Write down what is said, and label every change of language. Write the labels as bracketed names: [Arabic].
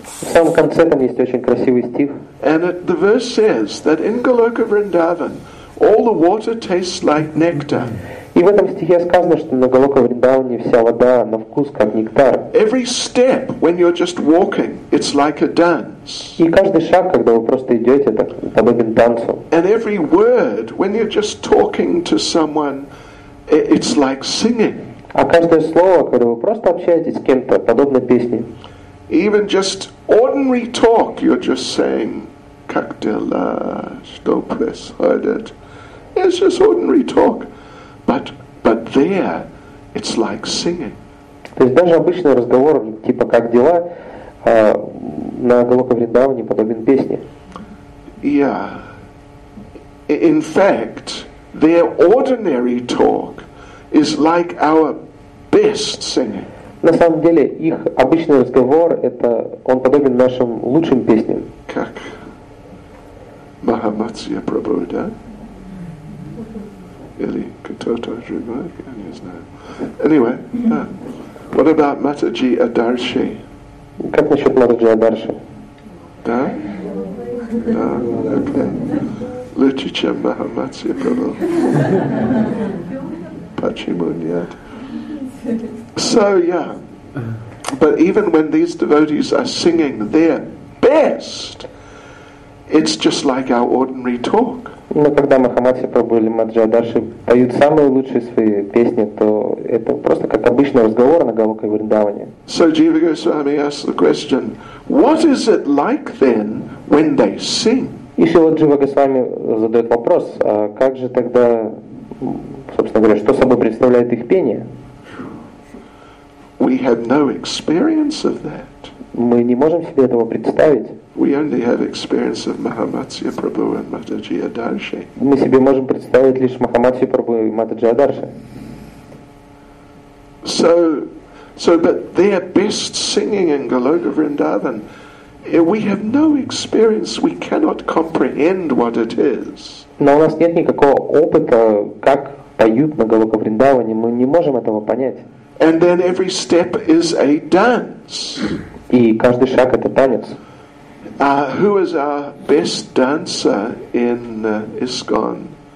[Russian] В самом конце там есть очень красивый стих. [English] And the verse says that in Goloka Vrindavan, all the water tastes like nectar. [Russian] И в этом стихе сказано, что на Голока Вриндаване вся вода на вкус как нектар. [English] Every step, when you're just walking, it's like a dance. [Russian] И каждый шаг, когда вы просто идете, это подобен танцу. [English] And every word, when you're just talking to someone, it's like singing. [Russian] А каждое слово, когда вы просто общаетесь с кем-то, подобно песне. [English] Even just ordinary talk, you're just saying, [Russian] как дела, что происходит. [English] It's just ordinary talk. But there, it's like singing. [Russian] То есть даже обычный разговор, типа как дела, на Голока Вриндаване подобен песне. [English] Yeah. In fact, their ordinary talk is like our best singing. [Russian] На самом деле их обычный разговор это он подобен нашим лучшим песням. Как Махамацья Прабху, да? Или кто-то другой, я не знаю. [English] Anyway, yeah. What about Mataji Adarshi? [Russian] Как насчет Mataji Adarshi? Да? Да, окей. Лучше, чем Махамацья Прабху. Почему нет? [English] So, yeah. But even when these devotees are singing their best, it's just like our ordinary talk. [Russian] Но когда Махамадхи Прабху или Маджа Дарши поют самые лучшие свои песни, то это просто как обычный разговор на Голока Вриндаване. [English] So Jiva Goswami asks the question, what is it like then when they sing? [Russian] И Шрила Джива Госвами задает вопрос, а как же тогда, собственно говоря, что собой представляет их пение? [English] We have no experience of that. [Russian] Мы не можем себе этого представить. [English] We only have experience of Mahamatsya Prabhu and Mataji Adarshi. [Russian] Мы себе можем представить лишь Махамадхи Прабху и Матаджи Адарши. [English] So, but their best singing in Goloka Vrindavan, we have no experience. We cannot comprehend what it is. [Russian] Но у нас нет никакого опыта, как поют на Голока Вриндаване. Мы не можем этого понять. [English] And then every step is a dance. [Russian] И каждый шаг это танец. [English] Who is our best dancer in ISKCON?